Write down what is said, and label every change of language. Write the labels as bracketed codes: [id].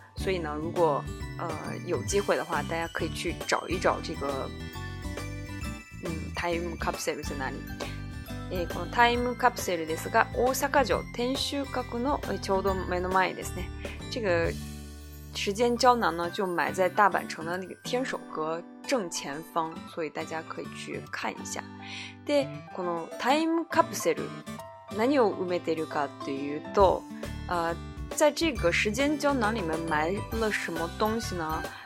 [zh] 所以呢，如果有机会的话，大家可以去找一找这个time capsule 在哪里。 [ja] このタイムカプセルですが、大阪城天守閣のちょうど目の前ですね。 [zh] 这个时间胶囊呢，就埋在大阪城的那个天守阁正前方，所以大家可以去看一下。 [ja] で、このタイムカプセル何を埋めているかというと、 [zh] 在这个时间胶囊里面埋了什么东西呢？